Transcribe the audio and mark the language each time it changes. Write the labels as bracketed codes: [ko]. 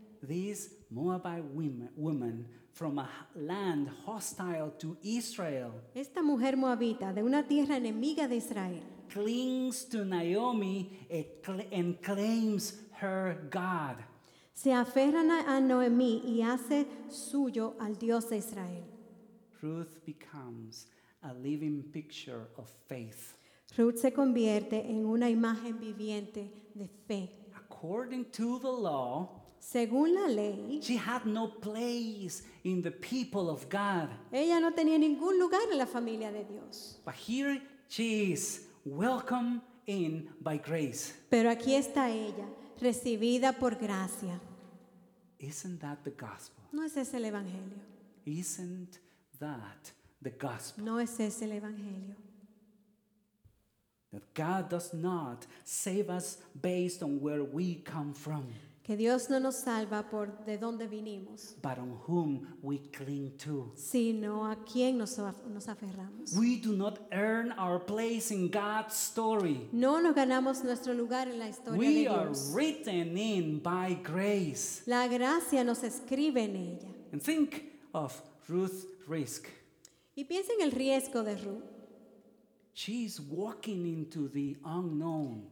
[en] These Moabite women from a land hostile to Israel. [es] Esta mujer moabita de una tierra enemiga de Israel. [en] Clings to Naomi and claims her God. [es] Se aferra a Noemí y hace suyo al Dios de Israel. [en] Ruth becomes a living picture of faith. [es] Ruth se convierte en una imagen viviente de fe. [en] According to the law, [es] según la ley, [en] she had no place in the people of God. [es] Ella no tenía ningún lugar en la familia de Dios. [en] But here she is, welcome in by grace. [es] Pero aquí está ella, recibida por gracia. [en] Isn't that the gospel? [es] ¿No es ese el evangelio? [en] Isn't that the gospel? [es] ¿No es ese el evangelio? [en] That God does not save us based on where we come from. [es] Que Dios no nos salva por de dónde vinimos. [en] But on whom we cling to. [es] Sino a quién nos aferramos. [en] We do not earn our place in God's story. [es] No nos ganamos nuestro lugar en la historia [en] we [es] de Dios. [en] We are written in by grace. [es] La gracia nos escribe en ella. [en] And think of Ruth's risk. [es] Y piensa en el riesgo de Ruth. [en] She's walking into the unknown.